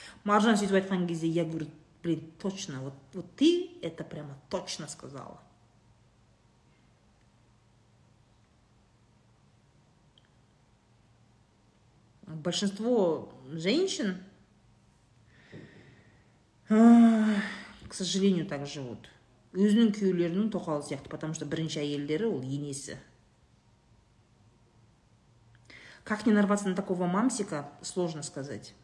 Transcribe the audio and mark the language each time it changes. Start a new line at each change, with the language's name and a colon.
Kazakh: Маржан сөйтіп айтқан кезде,
Russian: я говорю, блин, точно, вот ты это прямо точно сказала. Большинство женщин, к сожалению, так живут.
Kazakh: Өзінің күйелерінің тоқалы сияқты,
Russian: потому что
Kazakh: бірінші әйелдері ол енесі.
Russian: Как не нарваться на такого мамсика, сложно сказать.